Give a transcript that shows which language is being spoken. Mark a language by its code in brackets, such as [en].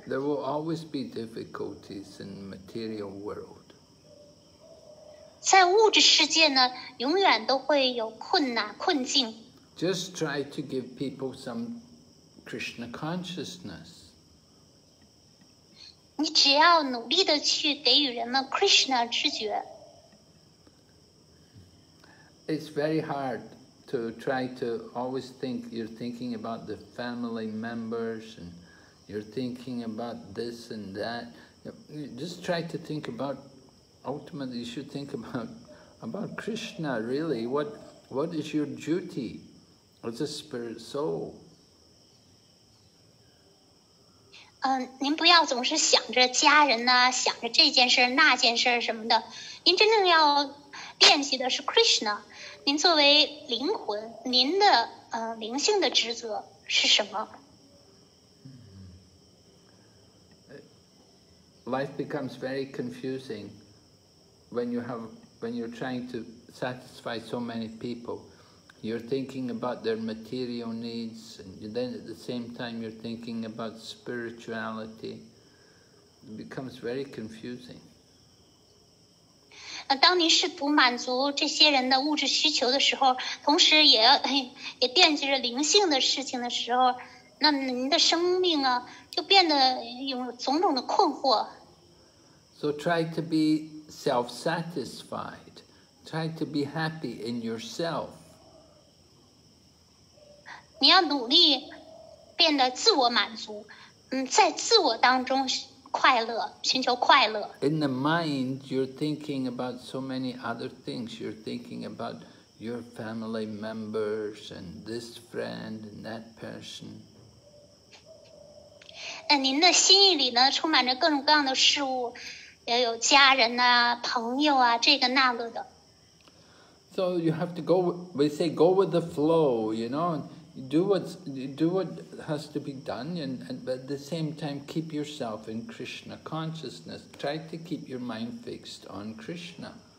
[en] There will always be difficulties in the material world. [zh] 在物质世界呢，永远都会有困难困境。 [en] Just try to give people some Krishna consciousness. [zh] 你只要努力地去给予人们 Krishna 知觉。 [en] It's very hard to try to always think you're thinking about the family members and you're thinking about this and that. Just try to think about, ultimately you should think about Krishna really. What is your duty as a spirit soul? [zh] 您不要总是想着家人呢、啊、想着这件事那件事什么的。您真正要练习的是 Krishna。您作为灵魂，您的灵性的职责是什么？ [en] Life becomes very confusing when you're trying to satisfy so many people. You're thinking about their material needs, and then at the same time you're thinking about spirituality. It becomes very confusing. [zh] 当您试图满足这些人的物质需求的时候，同时也惦记着灵性的事情的时候，那您的生命啊，就变得有种种的困惑。 [en] So try to be self-satisfied. Try to be happy in yourself. [zh] 你要努力变得自我满足，在自我当中快乐，寻求快乐。 [en] In the mind, you're thinking about so many other things. You're thinking about your family members and this friend and that person. [zh] 您的心意里呢，充满着各种各样的事物。也有家人啊朋友啊这个那个的。 [en] So you have to go, we say go with the flow, you know, do what has to be done, and at the same time keep yourself in Krishna consciousness. Try to keep your mind fixed on Krishna.